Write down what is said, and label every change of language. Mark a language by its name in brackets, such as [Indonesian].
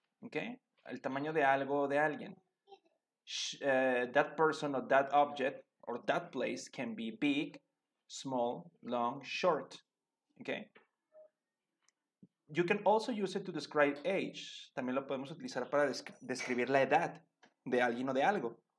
[Spanish] Okay, el tamaño de algo o de alguien. [English] That person or that object or that place can be big, small, long, short. Okay. You can also use it to describe age. [Spanish] También lo podemos utilizar para describir la edad de alguien o de algo.